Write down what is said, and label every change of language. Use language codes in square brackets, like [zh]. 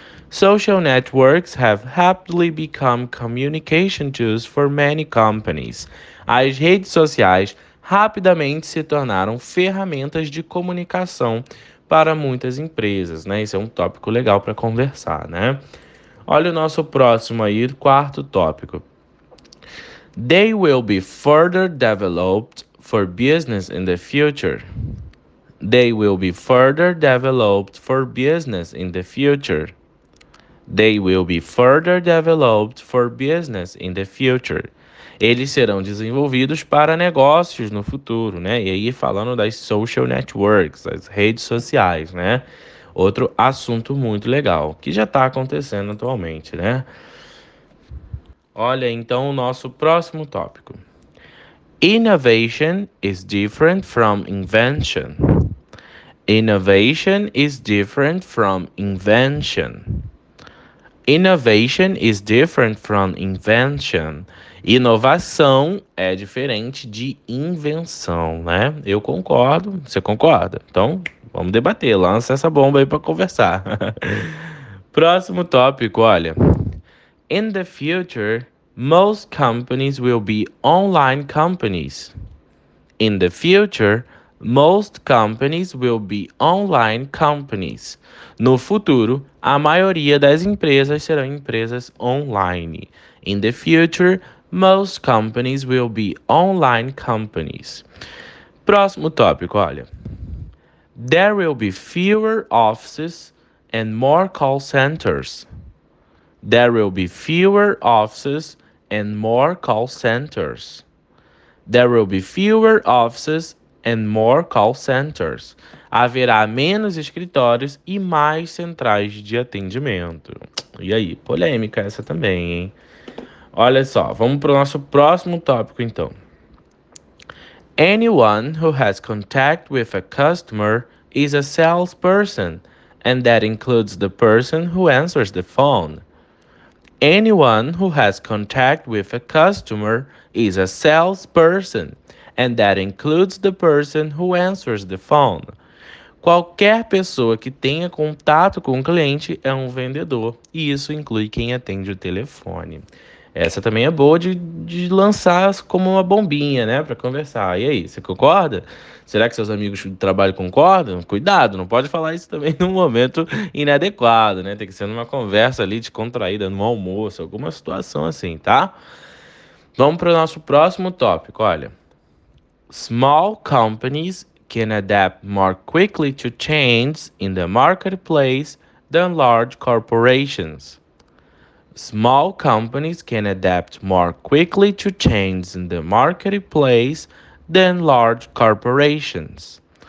[en] Social networks have rapidly become communication tools for many companies. [pt] As redes sociais rapidamente se tornaram ferramentas de comunicação para muitas empresas, né? Isso é um tópico legal para conversar, né? Olha o nosso próximo aí, quarto tópico. [en] They will be further developed for business in the future. They will be further developed for business in the future. They will be further developed for business in the future. [pt] Eles serão desenvolvidos para negócios no futuro, né? E aí falando das [en] social networks, [pt] as redes sociais, né? outro assunto muito legal que já está acontecendo atualmente, né? Olha então o nosso próximo tópico. [en] Innovation is different from invention. Innovation is different from invention. Innovation is different from invention. [pt] Inovação é diferente de invenção, né? Eu concordo, você concorda? Então, vamos debater, lança essa bomba aí para conversar. Próximo tópico, olha. [en] In the future, most companies will be online companies. In the future, most companies will be online companies. [pt] No futuro, a maioria das empresas serão empresas online. [en] In the future, most companies will be online companies. [pt] Próximo tópico, olha. [en] There will be fewer offices and more call centers. There will be fewer offices and more call centers. There will be fewer offices and more call centers. [pt] Haverá menos escritórios e mais centrais de atendimento. E aí, polêmica essa também, hein? Olha só, vamos para o nosso próximo tópico então. [en] Anyone who has contact with a customer is a salesperson, and that includes the person who answers the phone. Anyone who has contact with a customer is a salesperson, and that includes the person who answers the phone. [pt] Qualquer pessoa que tenha contato com o cliente é um vendedor, e isso inclui quem atende o telefone. Essa também é boa de lançar como uma bombinha, né, para conversar. E aí, você concorda? Será que seus amigos de trabalho concordam? Cuidado, não pode falar isso também num momento inadequado, né? Tem que ser numa conversa ali descontraída, num almoço, alguma situação assim, tá? Vamos para o nosso próximo tópico, olha. [en] Small companies can adapt more quickly to change in the marketplace than large corporations. Small companies can adapt more quickly to change in the marketplace than large corporations.